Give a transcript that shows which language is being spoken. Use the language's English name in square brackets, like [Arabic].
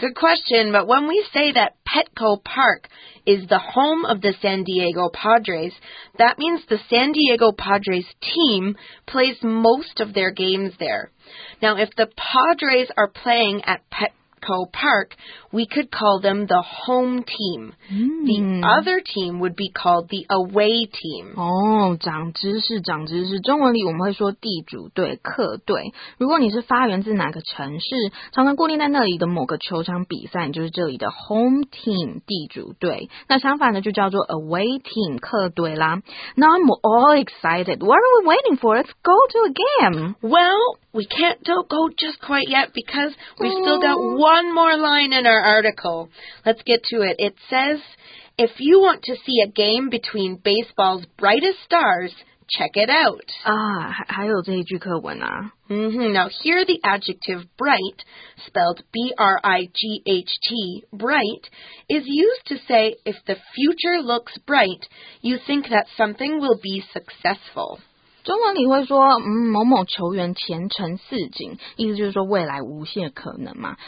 [English] Good question, but when we say that Petco Park is the home of the San Diego Padres, that means the San Diego Padres team plays most of their games there. Now, if the Padres are playing at Petco Park, we could call them the home team.、 Mm. The other team would be called the away team. [Chinese] 哦、长知识，长知识。中文里我们会说地主队、客队。如果你是发源自哪个城市，常常固定在那里的某个球场比赛，就是这里的 home team 地主队。那相反的就叫做 away team 客队啦。 [English] Now I'm all excited. What are we waiting for? Let's go to a game. Well, we can't go just quite yet because we've still got one more line in our article. Let's get to it. It says, if you want to see a game between baseball's brightest stars, check it out. [Chinese] 啊，还有这一句课文啊。 Mm-hmm. [English] Now, here the adjective bright, spelled B-R-I-G-H-T, bright, is used to say if the future looks bright, you think that something will be successful. [Chinese] 中文里会说、某某球员前程似锦，意思就是说未来无限可能嘛。